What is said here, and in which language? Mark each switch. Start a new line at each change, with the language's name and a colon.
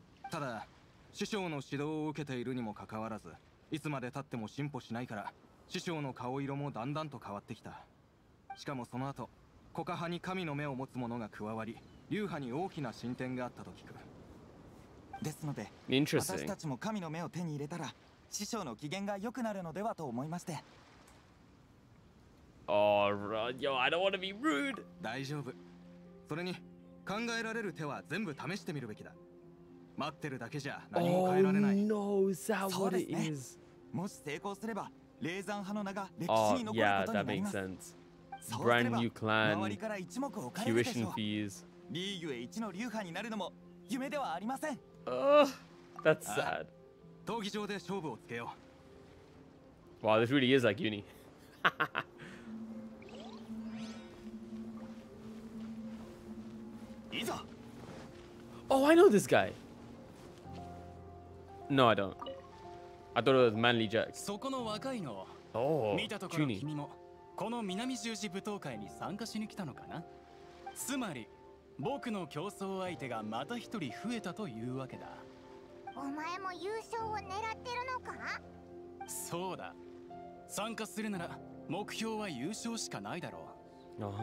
Japanese: ただ師匠の指導を受けているにもかかわらず、いつまで経っても進歩しないから、師匠の顔色もだんだんと変わってきた。しかもその後、コカ派に神の目を持つ者が加わり、流派に大きな進展があったと聞く。ですので、
English: Interesting.
Japanese: 私たちも神の目を手に入れたら、師匠の機嫌が良くなるのではと思いまして。
English: Alright, yo, I don't want to be rude.
Japanese: 大丈夫。それに、考えられる手は全部試してみるべきだ。待ってるだけじゃ何も変えられない。
English: Oh, no, is that what it is?
Japanese: もし成功すれば、霊山派の名が歴史に残ることになります。
English: Yeah, that makes sense. Brand new clan, tuition fees.
Japanese: League A1 の流派になるのも夢ではありません。
English: That's sad.
Japanese: 闘技場で勝負をつけよう。
English: Wow, this really is like uni.
Japanese: いざ。
English: Oh, I know this guy. No, I don't. I thought it was Manly Jack.
Japanese: そこの若いの。
English: Oh,
Japanese: 見たところ君も。この南十字舞踏会に参加しに来たのかな。つまり僕の競争相手がまた一人増えたというわけだ。お前も優勝を狙ってるのか。そうだ、参加するなら目標は優勝しかないだろう。